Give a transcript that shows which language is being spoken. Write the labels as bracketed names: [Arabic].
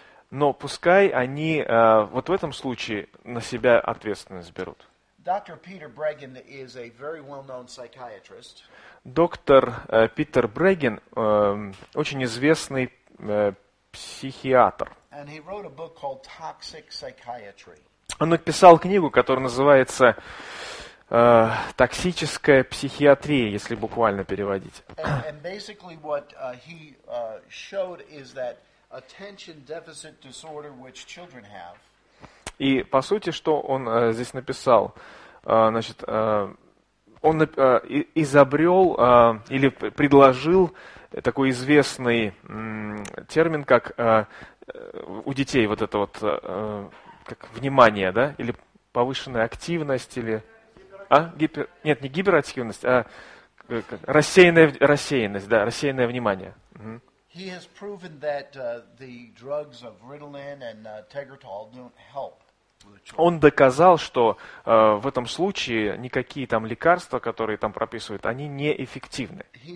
[Russian] Но пускай они вот в этом случае на себя ответственность берут. [English] Доктор Питер Брэгин is a very well-known psychiatrist. [Russian] Доктор Питер Брэгин очень известный психиатр. [English] And he wrote a book called Toxic Psychiatry. [Russian] Он написал книгу, которая называется «Токсическая психиатрия», если буквально переводить. [English] And basically what he showed is that attention deficit disorder, which children have. [Russian] И по сути, что он здесь написал, значит, он изобрел или предложил такой известный термин, как у детей вот это вот как внимание, да, или повышенная активность, или нет, не гиперактивность, а рассеянность, да, рассеянное внимание. [English] He has proven that the drugs of Ritalin and Tegretol don't help. [Russian] Он доказал, что в этом случае никакие там лекарства, которые там прописывают, они неэффективны.